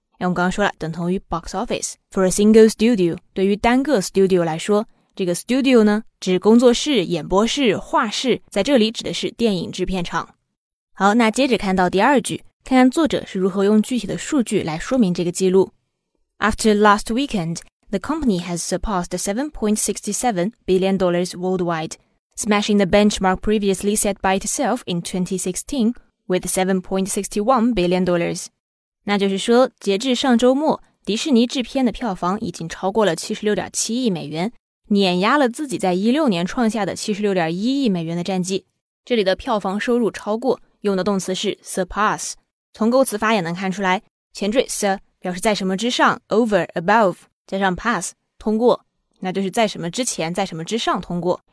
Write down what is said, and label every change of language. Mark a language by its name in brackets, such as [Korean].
[Chinese] 我们刚刚说了等同于 box office。 [English] For a single studio， [Chinese] 对于单个 studio 来说，这个 studio 呢指工作室、演播室、画室，在这里指的是电影制片厂。好，那接着看到第二句，看看作者是如何用具体的数据来说明这个记录。 [English] After last weekend, the company has surpassed $7.67 billion worldwide, smashing the benchmark previously set by itself in 2016 with $7.61 billion. [Chinese] 那就是说，截至上周末，迪士尼制片的票房已经超过了76.7亿美元，碾压了自己在16年创下的76.1亿美元的战绩。这里的票房收入超过，用的动词是 surpass。从构词法也能看出来，前缀 sir 表示在什么之上， [English] over, above， [Chinese] 加上 pass， 通过，那就是在什么之前，在什么之上通过。